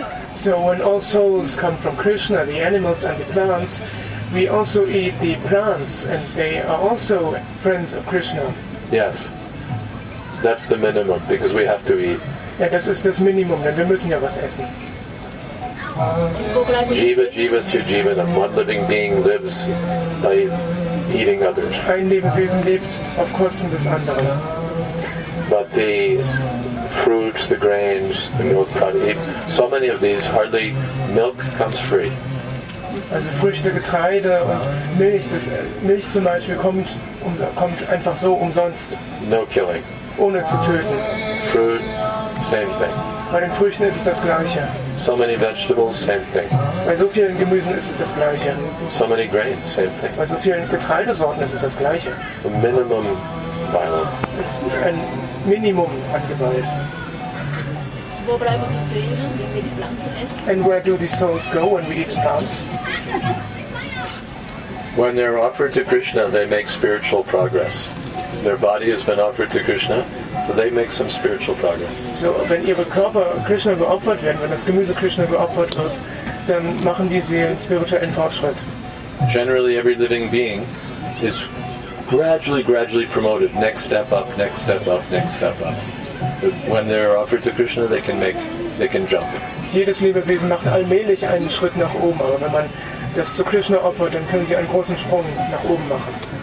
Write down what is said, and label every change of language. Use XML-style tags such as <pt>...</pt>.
<en>So when all souls come from Krishna, the animals and the plants, we also eat the plants and they are also friends of Krishna. Yes. That's the minimum, because we have to eat.</en> <de>Ja, das ist das Minimum, denn wir müssen ja was essen.</de> <sa>Jiva, jiva, sujivanam.</sa> <en>One living being lives by eating others.</en> <de>Ein Lebewesen lebt auf Kosten des anderen.</de> <en>But the fruits, the grains, the milk products, so many of these, hardly milk comes free.</en> <de>Also Früchte, Getreide und Milch, Milch zum Beispiel kommt einfach so umsonst.</de> <en>No killing.</en> <de>Ohne zu töten.</de> <en>Fruit, same thing.</en> <de>Bei den Früchten ist es das Gleiche.</de> <en>So many vegetables, same thing.</en> <de>Bei so vielen Gemüsen ist es das Gleiche.</de> <en>So many grains, same thing.</en> <de>Bei so vielen Getreidesorten ist es das Gleiche.</de> <en>A minimum violence.</en> <de>Es ist ein Minimum an Gewalt. Wo bleiben die Seelen, wenn wir die Pflanzen essen?</de> <en>And where do these souls go when we eat the plants? When they're offered to Krishna, they make spiritual progress. Their body has been offered to Krishna, so they make some spiritual progress.</en> <de>So, wenn ihre Körper Krishna geopfert werden, wenn das Gemüse Krishna geopfert wird, dann machen die Seelen spirituellen Fortschritt.</de> <en>Generally, every living being is gradually promoted, next step up. When they're offered to Krishna, they can jump.</en> <de>Jedes Lebewesen macht allmählich einen Schritt nach oben, aber wenn man das zu Krishna opfert, dann können sie einen großen Sprung nach oben machen.</de>